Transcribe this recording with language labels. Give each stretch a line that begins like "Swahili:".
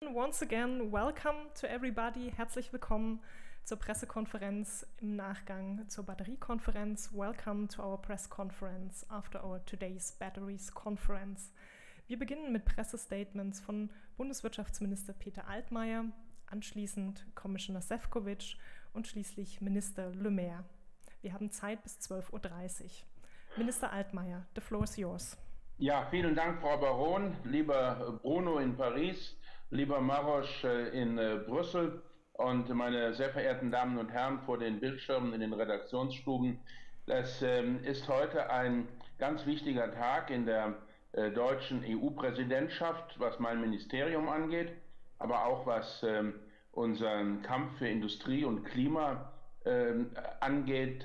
English: Once again, welcome to everybody.
German: Herzlich willkommen zur Pressekonferenz im Nachgang zur Batteriekonferenz.
English: Welcome to our press conference after our today's batteries conference.
German: Wir beginnen mit Pressestatements von Bundeswirtschaftsminister Peter Altmaier, anschließend Commissioner Šefčovič und schließlich Minister Le Maire. Wir haben Zeit bis 12.30 Uhr.
English: Minister Altmaier, the floor is yours.
German: Ja, vielen Dank, Frau Baron, lieber Bruno in Paris, lieber Maros in Brüssel und meine sehr verehrten Damen und Herren vor den Bildschirmen in den Redaktionsstuben. Das ist heute ein ganz wichtiger Tag in der deutschen EU-Präsidentschaft, was mein Ministerium angeht, aber auch was unseren Kampf für Industrie und Klima angeht.